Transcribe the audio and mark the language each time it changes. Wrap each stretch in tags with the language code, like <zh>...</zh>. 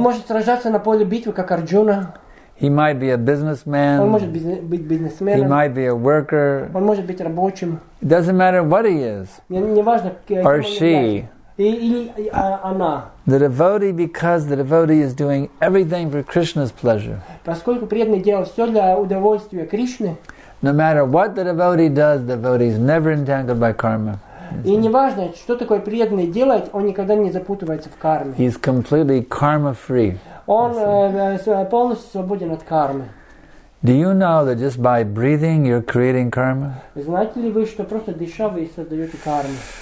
<en>Arjuna. He might be a businessman. He might be a worker. It doesn't matter what he is. Or she. The devotee, because the devotee is doing everything for Krishna's pleasure.</en> <ru>Поскольку преданный делал все для удовольствия Кришны.</ru> <en>No matter what the devotee does, the devotee is never entangled by karma.</en> <ru>И неважно, что такое преданный делает, он никогда не запутывается в карме.</ru> <en>He's completely karma-free.</en> <ru>Он полностью свободен от кармы.</ru> <en>Do you know that just by breathing you're creating karma?</en> <ru>Знаете ли вы, что просто дыша вы создаете карму?</ru>